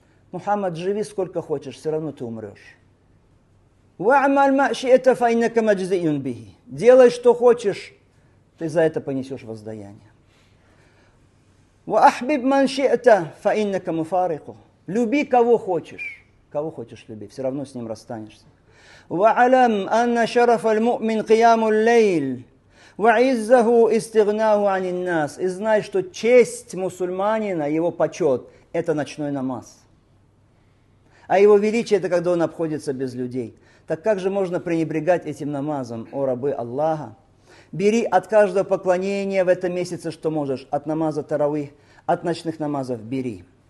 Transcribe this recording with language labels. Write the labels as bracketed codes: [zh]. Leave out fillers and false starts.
[ru] Мухаммад, живи сколько хочешь, все равно ты умрешь. «Ва'маль ма ши'та фа иннака маджзиюн бихи». Делай, что хочешь, ты за это понесешь воздаяние. «Ва'ахбиб ман ши'та фа иннака муфарику». Люби, кого хочешь. Кого хочешь люби, все равно с ним расстанешься. [ar] وعلم أن شرف المؤمن قيام الليل وعزه استغناه عن الناس. [ru] И знай, что честь мусульманина, его почет, это ночной намаз. А его величие, это когда он обходится без людей. Так как же можно пренебрегать этим намазом, о рабы Аллаха? Бери от каждого поклонения в этом месяце, что можешь. От намаза таравих, от ночных намазов бери.